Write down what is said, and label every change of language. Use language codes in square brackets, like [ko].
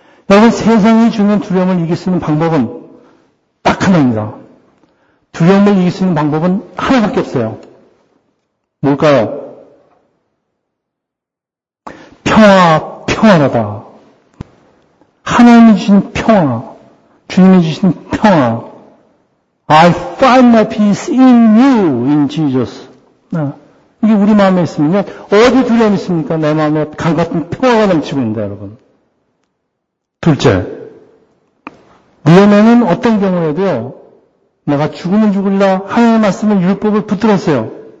[ko] 여러분, 세상이 주는 두려움을 이길 수 있는 방법은 딱 하나입니다. 두려움을 이길 수 있는 방법은 하나밖에 없어요. 뭘까요? 평화, 평안하다. 하나님이 주신 평화, 주님이 주신 평화. [en] I find my peace in you, in Jesus. [ko] 네. 이게 우리 마음에 있으면요. 어디 두려움이 있습니까? 내 마음에 강 같은 평화가 넘치고 있는데, 여러분. 둘째, 위험에는 어떤 경우에도요. 내가 죽으면 죽을라 하나님의 말씀을 율법을 붙들었어요.